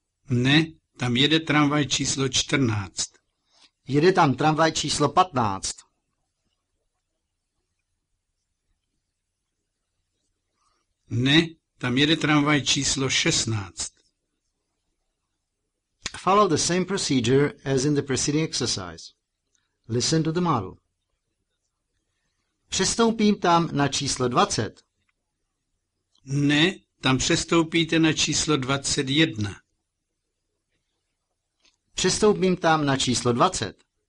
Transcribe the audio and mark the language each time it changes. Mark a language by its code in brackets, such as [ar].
[cs] Ne, tam jede tramvaj číslo 14. Jede tam tramvaj číslo 15? Ne, tam jede tramvaj číslo 16. [en] Follow the same procedure as in the preceding exercise. Listen to the model. [cs] Přestoupím tam na číslo 20? Ne, tam přestoupíte na číslo 21. Přestoupím tam na číslo 20.